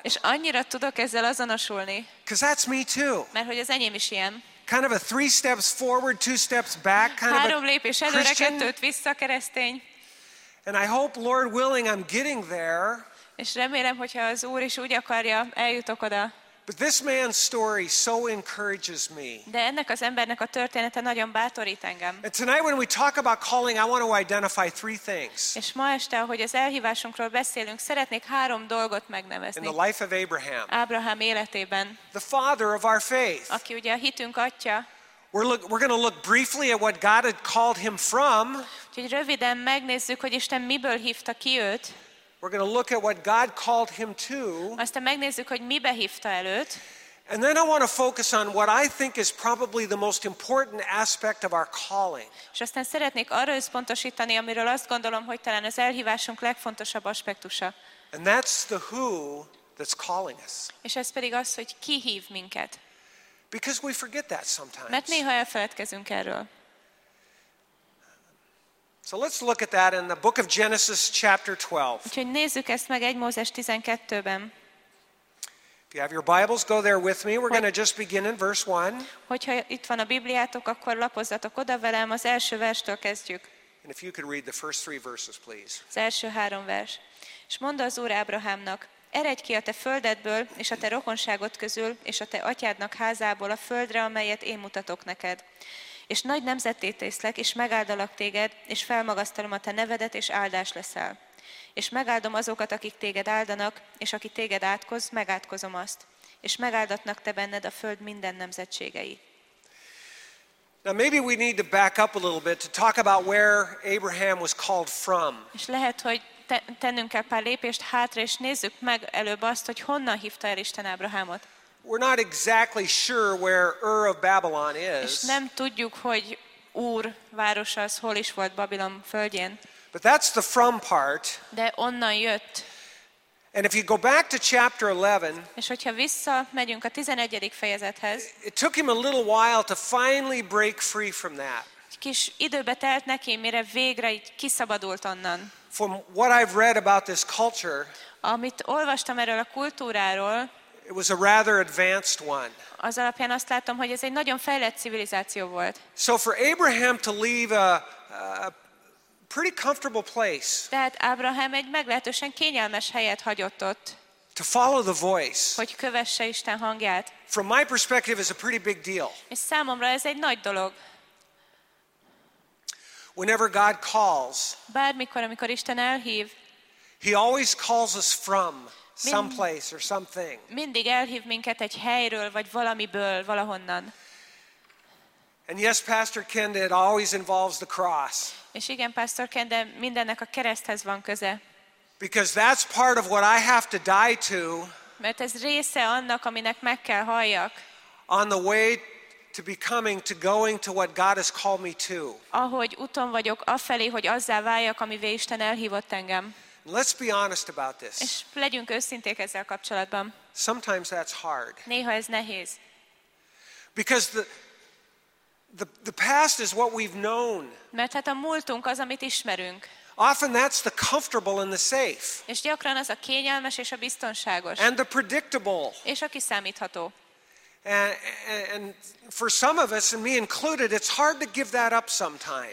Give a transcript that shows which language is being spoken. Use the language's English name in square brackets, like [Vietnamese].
[Hungarian] És annyira tudok ezzel azonosulni. [English] Because that's me too. [Hungarian] Mert hogy az enyém is ilyen. [English] Kind of a three steps forward, two steps back, kind [Hungarian] három [English] of a [Hungarian] lépés előre, kettőt vissza keresztény. [English] And I hope, Lord willing, I'm getting there. [Hungarian] És remélem, hogyha az Úr is úgy akarja, eljutok oda. [English] But this man's story so encourages me. [Hungarian] De ennek az embernek a története nagyon bátorít engem. [English] And tonight when we talk about calling, I want to identify three things. [Hungarian] És ma este, ahogy az elhívásunkról beszélünk, szeretnék három dolgot megnevezni. [English] In the life of Abraham. [Hungarian] Ábrahám életében. [English] The father of our faith. [Hungarian] Aki ugye a hitünk atya. [English] We're going to look briefly at what God had called him from. [Hungarian] Úgyhogy röviden megnézzük, hogy Isten miből hívta ki őt. [English] We're going to look at what God called him to. [Hungarian] Aztán megnézzük, hogy mibe hívta előtt. [English] And then I want to focus on what I think is probably the most important aspect of our calling. [Hungarian] És aztán szeretnék arra összpontosítani, amiről azt gondolom, hogy talán az elhívásunk legfontosabb aspektusa. [English] And that's the who that's calling us. [Hungarian] És ez pedig az, hogy ki hív minket. [English] Because we forget that sometimes. [Hungarian] Mert néha elfeledkezünk erről. [English] So let's look at that in the book of Genesis chapter 12. [Hungarian] Úgyhogy nézzük ezt meg 1 Mózes 12-ben. [English] If you have your Bibles, go there with me. We're going to just begin in verse 1. [Hungarian] Hogyha itt van a Bibliátok, akkor lapozzatok oda velem, az első verstől kezdjük. [English] And if you could read the first three verses, please. [Hungarian] Az első három vers. És mondd az Úr Ábrahámnak, eredj ki a te földedből és a te rokonságod közül és a te atyádnak házából a földre, amelyet én mutatok neked. És nagy nemzetté tészlek, és megáldalak téged, és felmagasztalom a te nevedet, és áldás leszel. És megáldom azokat, akik téged áldanak, és aki téged átkoz, megátkozom azt. És megáldatnak te benned a föld minden nemzetségei. [English] Now maybe we need to back up a little bit to talk about where Abraham was called from. [Hungarian] És lehet, hogy tennünk kell pár lépést hátra, és nézzük meg előbb azt, hogy honnan hívta el Isten Ábrahámot. [English] We're not exactly sure where Ur of Babylon is. [Hungarian] És nem tudjuk, hogy Ur város az hol is volt Babilon földjén. [English] But that's the from part. [Hungarian] De onnan jött. [English] And if you go back to chapter 11. [Hungarian] És hogyha visszamegyünk a 11. fejezethez. [English] It took him a little while to finally break free from that. [Hungarian] Kis időbe telt neki, mire végre így kiszabadult onnan. [English] From what I've read about this culture. [Hungarian] Amit olvastam erről a kultúráról. [English] It was a rather advanced one. [Hungarian] Az alapján azt látom, hogy ez egy nagyon fejlett civilizáció volt. [English] So for Abraham to leave a pretty comfortable place. [Hungarian] Tehát Ábrahám egy meglehetősen kényelmes helyet hagyott ott. [English] To follow the voice. [Hungarian] Hogy kövesse Isten hangját. [English] From my perspective, is a pretty big deal. [Hungarian] És számomra ez egy nagy dolog. [English] Whenever God calls. [Hungarian] Bármikor, amikor Isten elhív. [English] He always calls us from. Some place or something. [Hungarian] Mindig elhív minket egy helyről vagy valamiből, valahonnan. [English] And yes, Pastor Kende, it always involves the cross. [Hungarian] És igen, Pastor Kende, mindennek a kereszthez van köze. [English] Because that's part of what I have to die to. [Hungarian] Mert ez része annak, aminek meg kell halljak. [English] On the way to becoming, to going to what God has called me to. [Hungarian] Ahogy úton vagyok afelé, hogy azzá váljak, amivé Isten elhívott engem. [English] Let's be honest about this. [Hungarian] És legyünk őszinték ezzel kapcsolatban. [English] Sometimes that's hard. [Hungarian] Néha ez nehéz. [English] Because the past is what we've known. [Hungarian] Mert hát a múltunk az, amit ismerünk. [English] Often that's the comfortable and the safe. [Hungarian] És gyakran az a kényelmes és a biztonságos. [English] And the predictable. [Hungarian] És a kiszámítható. [English] And for some of us, and me included, it's hard to give that up sometimes.